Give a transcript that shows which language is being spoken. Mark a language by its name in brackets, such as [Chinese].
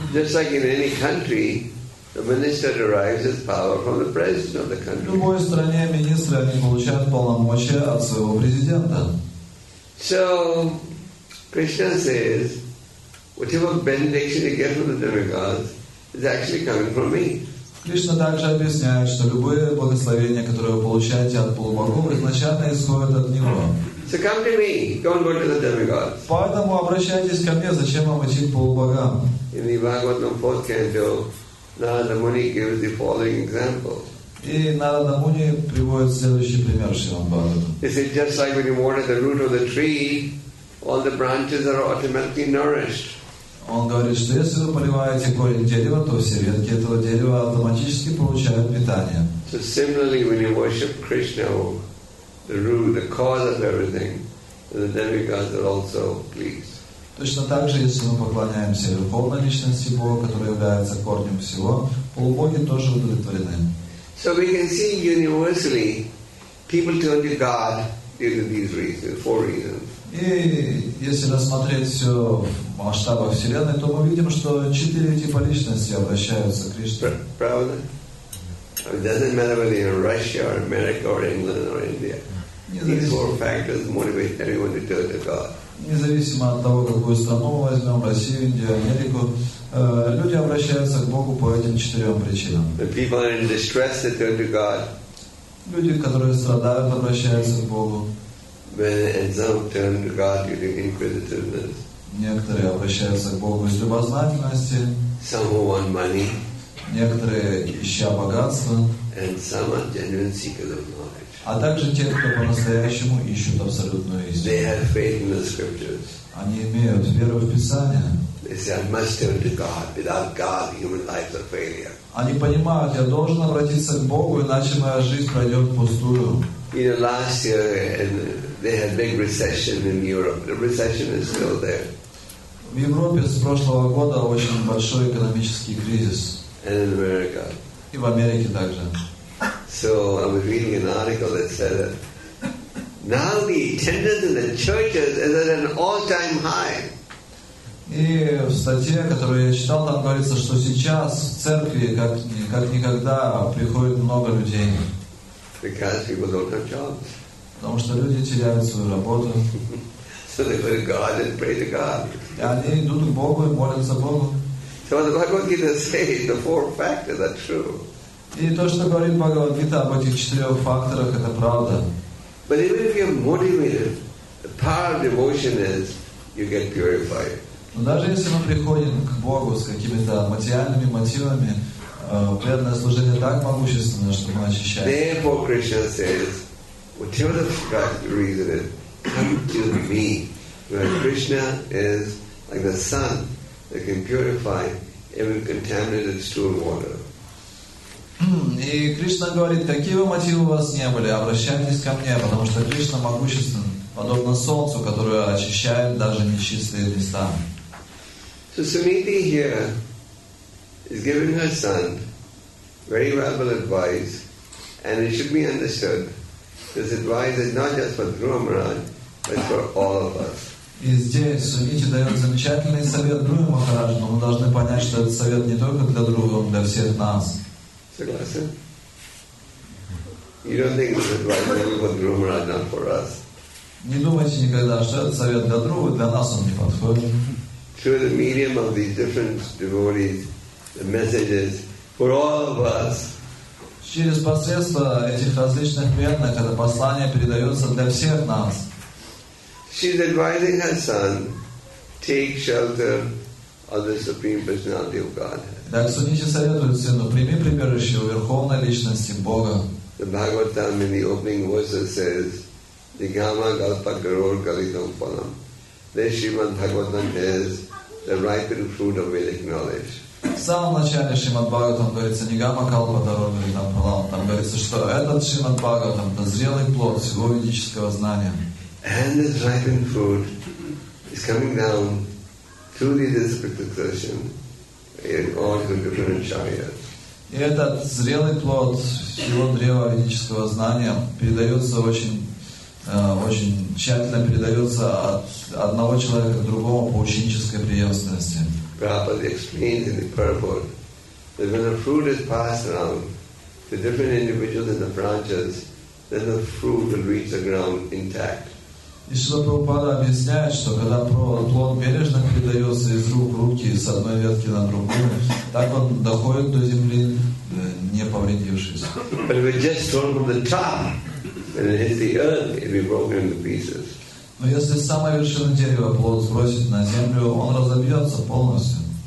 [English] Just like in any country, the minister derives his power from the president of the country. [Russian] В любой стране министры они получают полномочия от своего президента. [English] So Krishna says, whatever benediction you get from the demigods is actually coming from me. [Russian] Кришна также объясняет, что любые благословения, которые вы получаете от полубогов, изначально исходят от Него. [English] So come to me, don't go to the demigods. [Russian] Поэтому обращайтесь ко мне, зачем вам идти к полубогам? [English] In the Bhagavatam 4th canto, Narada Muni gives the following example. [Russian] И Нарада Муни приводит следующий пример Шримад Бхагаватам. [English] He said, just like when you water the root of the tree, all the branches are automatically nourished. [Russian] Он говорит, что если вы поливаете корень дерева, то все ветки этого дерева автоматически получают питание. [English] So similarly, when you worship Krishna, the root, the cause of everything, the demigods are also pleased. [Russian] Точно так же, если мы поклоняемся Верховной Личности Бога, которая является корнем всего, полубоги тоже удовлетворены. [English] So we can see universally, people turn to God due to these reasons, four reasons. [Russian] И если рассмотреть все в масштабах Вселенной, то мы видим, что четыре типа личности обращаются к Кришне. Правда? [English] It doesn't matter whether you're in Russia or America or England or India. These four factors motivate everyone to turn to God. [Russian] Независимо от того, какую страну мы возьмем, Россию, Индию, Америку, люди обращаются к Богу по этим четырем причинам. [English] The people in distress, they turn to God. [Russian] Люди, которые страдают, обращаются к Богу. [English] And some turn to God due to inquisitiveness. [Russian] Некоторые обращаются к Богу из любознательности. [English] Some want money. [Russian] Некоторые ища богатства. [English] And some are genuine seekers of knowledge. [Russian] А также те, кто по-настоящему ищут абсолютную истину. [English] They have faith in the scriptures. [Russian] Они имеют веру в Писание. [English] They say, I must turn to God. Without God, human life is a failure. [Russian] Они понимают, я должен обратиться к Богу, иначе моя жизнь пройдет впустую. [English] In the last year, and they had big recession in Europe. The recession is still there. [Russian] В Европе с прошлого года очень большой экономический кризис. [English] And in America. [Russian] И в Америке также. [English] So I was reading an article that said that now the attendance in the churches is at an all-time high. [Russian] И в статье, которую я читал, там говорится, что сейчас в церкви как никогда приходит много людей. [English] Because people don't have jobs. [Russian] Потому что люди теряют свою работу. [English] So they go to God and pray to God. [Russian] И они идут к Богу и молятся Богу. [English] So the Bhagavad Gita says the four factors are true. [Russian] И то, что говорит Бхагавад Гита об этих четырех факторах, это правда. [English] But even if you're motivated, the power of devotion is you get purified. [Russian] Но даже если мы приходим к Богу с какими-то материальными мотивами, преданное служение так могущественно, что мы очищаем. [English] Therefore, Krishna says, whatever the reason is, come to me. Because Krishna is like the sun that can purify every contaminated stool water. [Russian] И Кришна говорит, какие бы мотивы у вас не были, обращайтесь ко мне, потому что Кришна могущественен, подобно солнцу, которое очищает даже нечистые места. [English] So Suniti here is giving her son very valuable advice, and it should be understood this advice is not just for Dhruva Maharaj, but for all of us. [Russian] И здесь Суниди дает замечательный совет Дхруве Махараджу, но мы должны понять, что этот совет не только для Дхрувы, он для всех нас. Согласен? [English] You don't think this advice is only for Dhruva Maharaj, not for us? [Russian] Не думайте никогда, что этот совет для Дхрувы, для нас он не подходит. [English] Through the medium of these different devotees, the messages for all of us. [Russian] Через посредство этих различных преданных это послание передается для всех нас. [English] She's advising her son, take shelter of the Supreme Personality of Godhead. [Russian] Так Сунити советует сыну, прими прибежище у Верховной Личности Бога. [English] The Bhagavatam in the opening verses says, Digama Galpa Garor Galitam Palam. The Srimad Bhagavatam is the ripened fruit of Vedic knowledge. [Russian] В самом начале Шримад Бхагаватам говорится Нигама Калпа Дарога Гритам Палам. Там говорится, что этот Шримад Бхагаватам это зрелый плод всего ведического знания. [English] And this ripened food is coming down through the district succession in all the different acharyas. [Russian] И этот зрелый плод всего древа ведического знания передается очень тщательно передается от одного человека к другому по ученической преемственности. [English] Prabhupada explains in the purport that when the fruit is passed around to different individuals in the branches, then the fruit will reach the ground intact. [Russian] И Шрила Прабхупада объясняет, что когда плод бережно передается из рук в руки с одной ветки на другую, так он доходит до земли, не повредившись. Но если с самой вершины дерева плод сбросить на землю, он разобьется полностью.